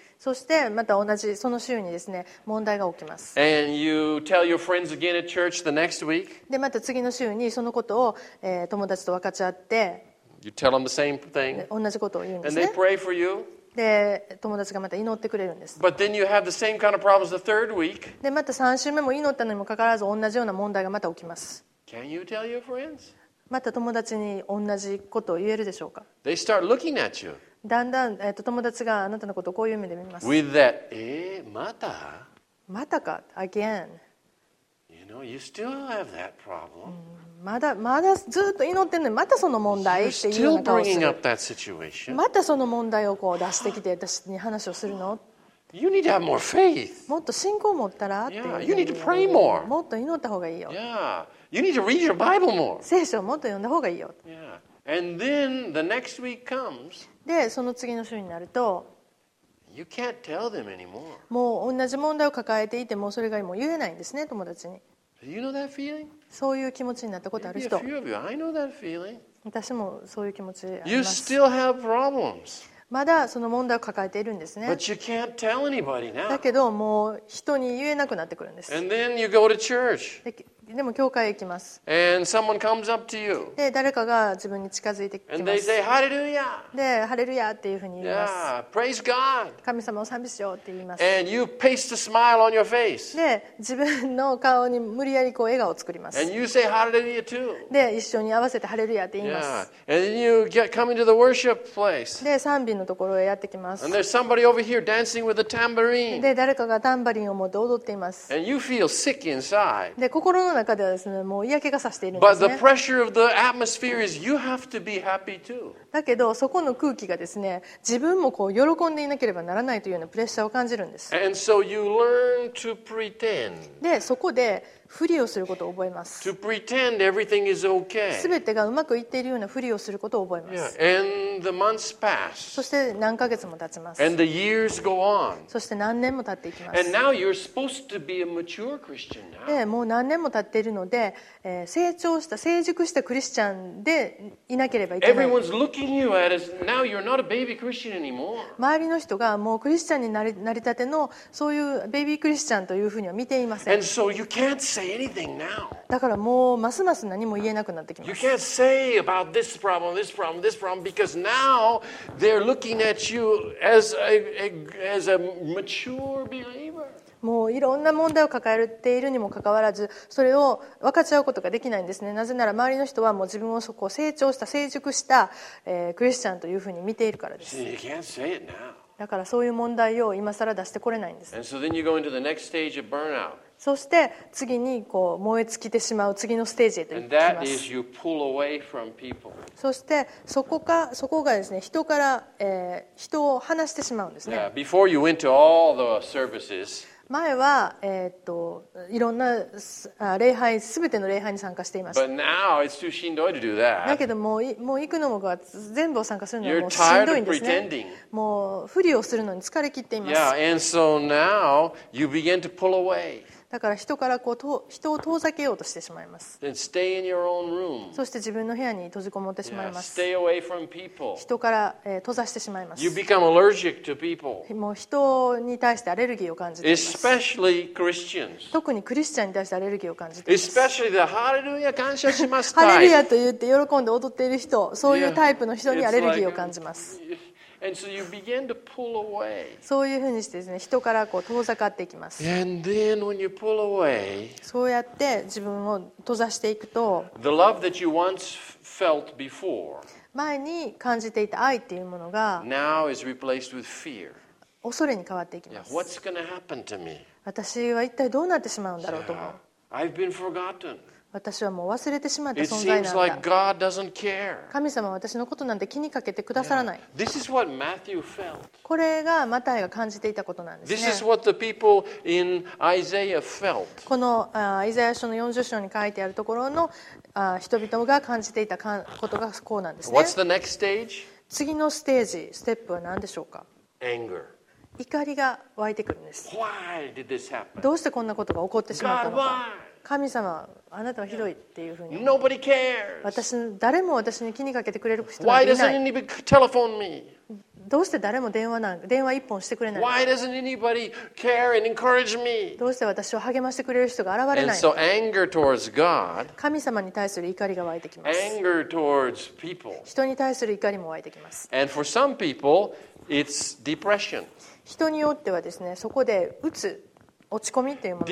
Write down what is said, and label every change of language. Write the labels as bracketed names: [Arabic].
[Japanese] そしてまた同じその週にですね、問題が起きます。 [English] And you tell your friends again at church the next week. [Japanese] で、また次の週にそのことを、友達と分かち合って。 [English] You tell them the same thing. [Japanese] 同じことを言うんですね。 [English] And they pray for you. [Japanese] で友達がまた祈ってくれるんです。 [English] But then you have the same kind of problems the third week. [Japanese] でまた3週目も祈ったのにもかかわらず同じような問題がまた起きます。 [English] Can you tell your friends? [Japanese] また友達に同じことを言えるでしょうか。 [English] They start looking at you. [Japanese] だんだん、友達があなたのことをこういう目で見ます。 [English] With that, [Japanese] また? またか? [English] Again. You know, you still have that problem. [Japanese] まだずっと祈ってるのに、またその問題っていうような顔をする。またその問題をこう出してきて私に話をするの。 [English] You need to have more faith. [Japanese] もっと信仰を持ったらっていう。 [English] Yeah, you need to pray more. [Japanese] もっと祈った方がいいよ。 [English] Yeah, you need to read your Bible more. [Japanese] 聖書をもっと読んだ方がいいよ。 [English] Yeah. And then the next week comes. [Japanese] でその次の週になると、 [English] You can't tell them anymore. [Japanese] もう同じ問題を抱えていて、もうそれがもう言えないんですね、友達に。 [English] You know that feeling? [Japanese] そういう気持ちになったことある人。 [English] Maybe a few of you, I know that feeling. [Japanese] 私もそういう気持ちあります。 [English] You still have problems. [Japanese] まだその問題を抱えているんですね。 [English] But you can't tell anybody now. [Japanese] だけどもう人に言えなくなってくるんです。 [English] And then you go to church. [Japanese] でも教会へ行きます。 [English] And someone comes up to you. [Japanese] で誰かが自分に近づいてきます。 [English] And they say, Hallelujah! [Japanese] でハレルヤっていうふうに言います。 [English] Yeah, praise God! [Japanese] 神様を賛美しようって言います。 [English] And you paste a smile on your face. [Japanese] で自分の顔に無理やりこう笑顔を作ります。 [English] And you say, Hallelujah too! [Japanese] で一緒に合わせてハレルヤって言います。 [English] Yeah, and then you get coming to the worship place. [Japanese] で賛美のところへやってきます。 [English] And there's somebody over here dancing with a tambourine. [Japanese] で誰かがタンバリンを持って踊っています。 [English] And you feel sick inside. [Japanese] で心の中ではですね、もう嫌気がさしているんですね。 [English] But the pressure of the atmosphere is you have to be happy too. [Japanese] だけどそこの空気がですね、自分もこう喜んでいなければならないというようなプレッシャーを感じるんです。 [English] And so you learn to pretend. [Japanese] でそこで不利をすることを覚えます。 [English] To pretend everything is okay. [Japanese] 全てがうまくいっているような不利をすることを覚えます。 [English] Yeah. And the months pass. [Japanese] そして何ヶ月も経ちます。 [English] And the years go on. [Japanese] そして何年も経っていきます。 [English] And now you're supposed to be a mature Christian now. [Japanese] でもう何年も経っているので、成長した成熟したクリスチャンでいなければいけない。 [English] Everyone's looking you at as now you're not a baby Christian anymore. [Japanese] 周りの人がもうクリスチャンになりたての、そういうベビークリスチャンというふうには見ていません。 [English] And so you can't say say anything now. [Japanese] だからもうますます何も言えなくなってきます。 [English] You can't say about this problem, this problem, this problem because now they're looking at you as a mature believer. [Japanese] もういろんな問題を抱えているにもかかわらず、それを分かち合うことができないんですね。なぜなら周りの人はもう自分をそこを成長した成熟した、クリスチャンというふうに見ているからです。 [English] You can't say it now. [Japanese] だからそういう問題を今更出してこれないんです。 [English] So、then you go into the next stage of burnout. [Japanese] そして次にこう燃え尽きてしまう次のステージへと行きます。 [English] And that is you pull away from people. [Japanese] そしてそこがですね、人から、人を離してしまうんですね。 [English] Yeah, before you went to all the services, [Japanese] 前は、いろんな礼拝、すべての礼拝に参加していました。 [English] But now it's too [Japanese] しんどいと [English] do that. [Japanese] だけどもう行くのも全部を参加するのももうしんどいんですね。もう不利をするのに疲れ切っています。 [English] Yeah, and so now you begin to pull away. [Japanese] だから人からこう人を遠ざけようとしてしまいます。 [English] Then stay in your own room. [Japanese] そして自分の部屋に閉じこもってしまいます。 [English] Yeah, stay away from people. [Japanese] 人から、閉ざしてしまいます。 [English] You become allergic to people. [Japanese] もう人に対してアレルギーを感じています [English] 。 Especially Christians. [Japanese] 特にクリスチャンに対してアレルギーを感じています [English] Especially the Hallelujah [Japanese] 感謝しますタイプ。ハレルヤと言って喜んで踊っている人、そういうタイプの人にアレルギーを感じます。 [English] Yeah, And so you begin to pull away. [Japanese] そういうふうにしてですね、人からこう遠ざかっていきます。 [English] And then when you pull away, [Japanese] そうやって自分を閉ざしていくと、 [English] the love that you once felt before, [Japanese] 前に感じていた愛っていうものが、 [English] now is replaced with fear. [Japanese] 恐れに変わっていきます。 [English] Yeah, what's gonna happen to me? [Japanese] 私は一体どうなってしまうんだろうと思う。 [English] Yeah, I've been forgotten. [Japanese] 私はもう忘れてしまった存在なんだ。 [English] like、God doesn't care. [Japanese] 神様は私のことなんて気にかけてくださらない。 [English] yeah, this is what Matthew felt. [Japanese] これがマタイが感じていたことなんですね。 [English] this is what the people in Isaiah felt. [Japanese] このイザヤ書の40章に書いてあるところの人々が感じていたことがこうなんですね。 [English] What's the next stage? [Japanese] 次のステージ、ステップは何でしょうか。 [English] Anger. [Japanese] 怒りが湧いてくるんです。 [English] Why did this happen? [Japanese] どうしてこんなことが起こってしまったのか。神様、あなたはひどいっていうふうに。 [English] Nobody cares. [Japanese] 誰も私に気にかけてくれる人はいない。 [English] Why doesn't anybody telephone me? [Japanese] どうして誰も電話一本してくれない。 [English] Why doesn't anybody care and encourage me? [Japanese] どうして私を励ましてくれる人が現れない。 [English] And so anger towards God. [Japanese] 神様に対する怒りが湧いてきます。 [English] Anger towards people. [Japanese] 人に対する怒りも湧いてきます。 [English] And for some people, it's depression. [Japanese] 人によってはですね、そこで鬱。落ち込みというものが